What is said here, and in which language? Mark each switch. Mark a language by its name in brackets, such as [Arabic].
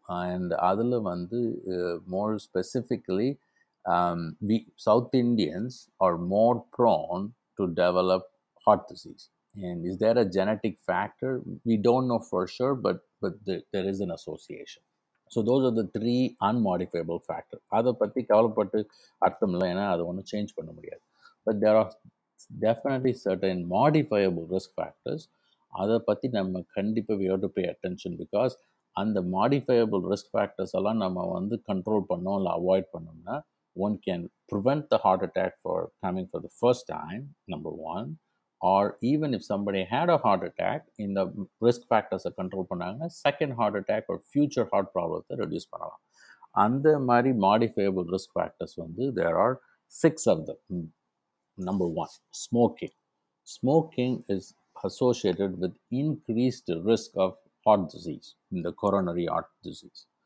[English] And [Tamil] adhula vandhu, [English] more specifically, we South Indians are more prone to develop heart disease. And is there a genetic factor? We don't know for sure, but there is an association. So those are the three unmodifiable factors. [Tamil] அதை பற்றி கவலைப்பட்டு அர்த்தம் இல்லை, ஏன்னா அதை ஒன்றும் change பண்ண முடியாது. [English] but there are definitely certain modifiable risk factors, [Tamil] அதை பற்றி நம்ம கண்டிப்பாக [English] we have to pay attention, because [Tamil] அந்த மாடிஃபையபிள் ரிஸ்க் ஃபேக்டர்ஸ் எல்லாம் நம்ம வந்து கண்ட்ரோல் பண்ணோம் இல்லை அவாய்ட் பண்ணோம்னா [English] one can prevent the heart attack for coming for the first time, number one, or even if somebody had a heart attack in the risk factors are [Tamil] control pananga [English] second heart attack or future heart problems to reduce panalam. And the mari modifiable risk factors vandu there are six of them. Number one, smoking is associated with increased risk of heart disease, in the coronary heart disease.